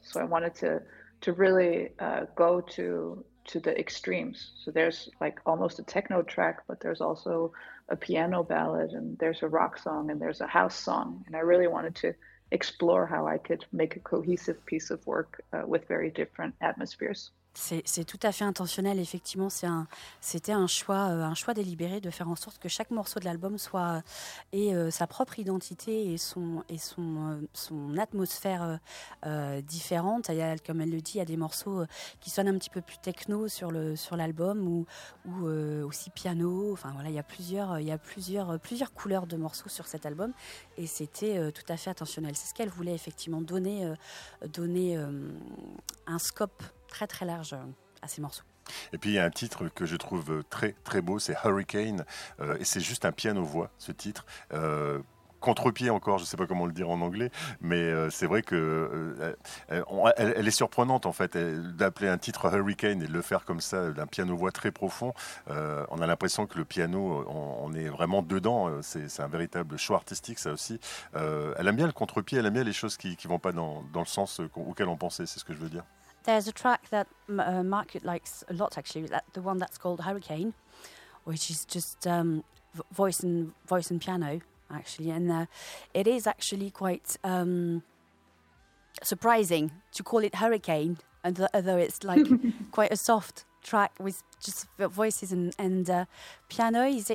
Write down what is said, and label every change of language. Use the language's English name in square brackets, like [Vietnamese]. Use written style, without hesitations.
[English] So I wanted to really go to the extremes. So there's like almost a techno track, but there's also a piano ballad, and there's a rock song, and there's a house song, and I really wanted to explore how I could make a cohesive piece of work with very different atmospheres. [French] C'est tout à fait intentionnel, effectivement. C'était un choix délibéré de faire en sorte que chaque morceau de l'album soit ait sa propre identité et son atmosphère différente. Il y a, comme elle le dit, il y a des morceaux qui sonnent un petit peu plus techno sur l'album ou aussi piano. Enfin voilà, il y a plusieurs couleurs de morceaux sur cet album et c'était tout à fait intentionnel. C'est ce qu'elle voulait effectivement donner un scope très très large à ces morceaux. Et puis il y a un titre que je trouve très très beau, c'est Hurricane, et c'est juste un piano-voix, ce titre. Contre-pied encore, je ne sais pas comment le dire en anglais, mais c'est vrai que elle est surprenante en fait, d'appeler un titre Hurricane et de le faire comme ça, d'un piano-voix très profond. On a l'impression que le piano, on est vraiment dedans, c'est un véritable choix artistique ça aussi. Elle aime bien le contre-pied, elle aime bien les choses qui ne vont pas dans le sens auquel on pensait, c'est ce que je veux dire. [English] There's a track that Mark likes a lot, actually, the one that's called Hurricane, which is just voice and piano, actually. And it is actually quite surprising to call it Hurricane, although it's like quite a soft track with just voices and piano.